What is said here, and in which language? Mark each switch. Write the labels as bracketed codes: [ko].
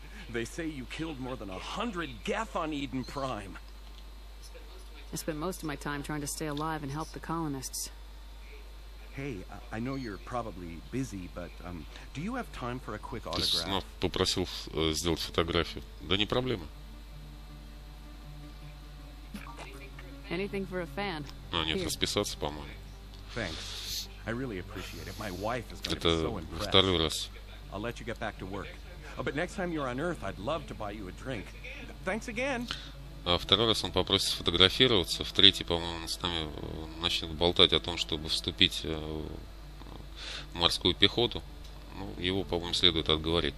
[en] They say you killed more than 100 Geth on Eden Prime. I spent most of my time trying to stay alive and help the colonists. Hey, I know you're probably busy, but do you have time for a quick autograph? [ru] Ну, попросил сделать фотографию. Да не проблема. [en] Anything for a fan. [ru] А, нет, [en] here. [ru] Расписаться, по-моему. [en] Thanks. I really appreciate it. My wife is going to be so impressed. [ru] Это второй раз. [en] I'll let you get back to work. Oh, but next time you're on Earth, I'd love to buy you a drink. Thanks again. [ru] А второй раз он попросит сфотографироваться. В третий, по-моему, он с нами начнет болтать о том, чтобы вступить в морскую пехоту. Ну, его, по-моему, следует отговорить.